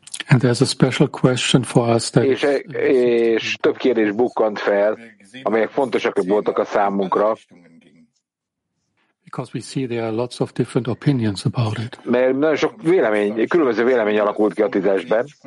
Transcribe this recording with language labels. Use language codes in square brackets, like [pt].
[en] And there's a special question for us that [hu] és több kérdés bukkant fel, amelyek fontosak voltak a számunkra. [en] Because we see there are lots of different opinions about it. [hu] Mert nagyon sok vélemény, különböző vélemény alakult ki a tízesben.